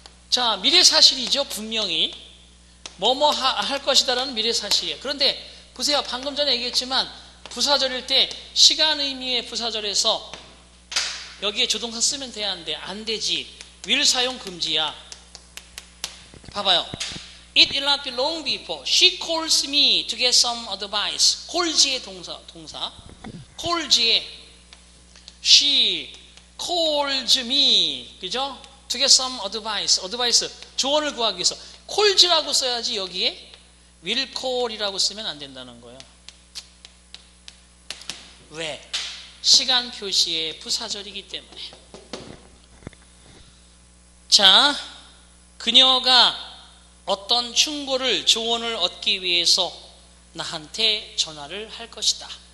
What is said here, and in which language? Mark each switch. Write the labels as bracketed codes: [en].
[ko] 자, 미래 사실이죠. 분명히 뭐뭐 할 것이다라는 미래 사실이에요. 그런데 보세요, 방금 전에 얘기했지만 부사절일 때 시간 의미의 부사절에서 여기에 조동사 쓰면 돼야 하는데 안 되지. will 사용 금지야. 봐봐요. [en] It will not be long before she calls me to get some advice. [ko] calls의 동사. calls의 she calls me, 그죠? [en] to get some advice. [ko] advice, 조언을 구하기 위해서. calls라고 써야지 여기에 will call이라고 쓰면 안 된다는 거예요. 왜? 시간 표시의 부사절이기 때문에. 자, 그녀가 어떤 충고를, 조언을 얻기 위해서 나한테 전화를 할 것이다.